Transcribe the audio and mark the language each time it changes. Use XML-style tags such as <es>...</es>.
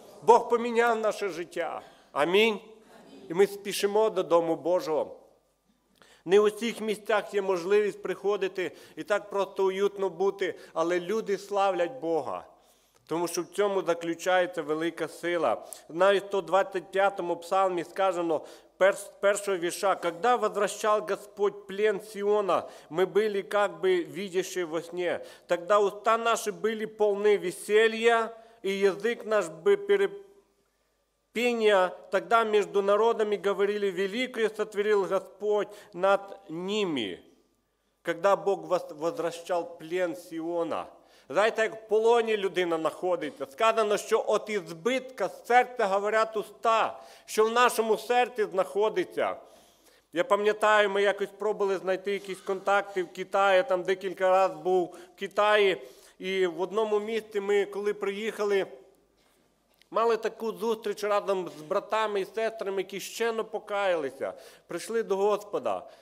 <uk>Бог поміняв наше життя. Амінь. І ми спішимо додому Божого. Не у всіх місцях є можливість приходити і так просто уютно бути, але люди славлять Бога. Тому що в цьому заключається велика сила. Навіть в 125-му псалмі сказано, першого вірша,</uk> <ru>«Когда возвращал Господь плен Сиона, мы были как бы видящие во сне, тогда уста наши были полны веселья, и язык наш бы перепения, тогда между народами говорили, великое сотворил Господь над ними». Когда Бог возвращал плен Сиона.</ru> <uk>Знаєте, як в полоні людина знаходиться. Сказано, що от ізбитка серця говорять уста, що в нашому серці знаходиться. Я пам'ятаю, ми якось пробували знайти якісь контакти в Китаї, там декілька раз був в Китаї, і в одному місці ми, коли приїхали, мали таку зустріч разом з братами і сестрами, які щено покаялися, прийшли до Господа.</uk>